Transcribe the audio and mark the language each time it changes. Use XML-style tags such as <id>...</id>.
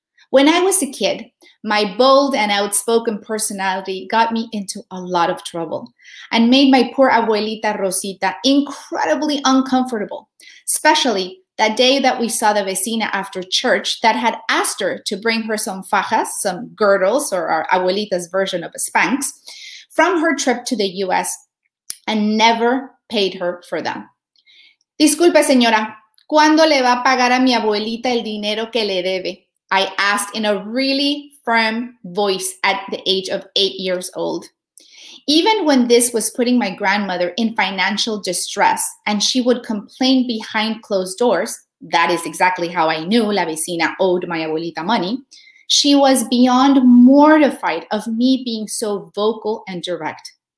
<en>When I was a kid, my bold and outspoken personality got me into a lot of trouble and made my poor abuelita Rosita incredibly uncomfortable, especially that day that we saw the vecina after church that had asked her to bring her some fajas, some girdles, or our abuelita's version of a Spanx, from her trip to the U.S. and never paid her for them.</en> <es>Disculpe, señora, ¿cuándo le va a pagar a mi abuelita el dinero que le debe?</es> <en>I asked in a really firm voice at the age of 8 years old. Even when this was putting my grandmother in financial distress and she would complain behind closed doors, that is exactly how I knew la vecina owed my abuelita money, she was beyond mortified of me being so vocal and direct.</en>